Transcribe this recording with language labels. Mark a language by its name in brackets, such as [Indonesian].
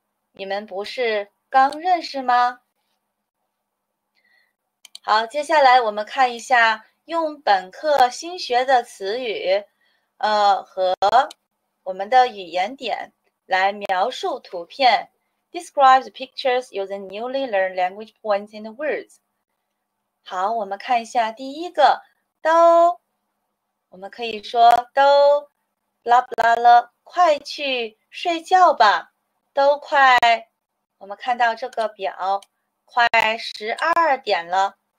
[Chinese] 你们不是刚认识吗？好，接下来我们看一下用本课新学的词语，和我们的语言点来描述图片。 [English] Describe the pictures using newly learned language points and words. [Chinese] 好，我们看一下第一个，都，我们可以说都 blah blah 了，快去睡觉吧，都快，我们看到这个表，快十二点了。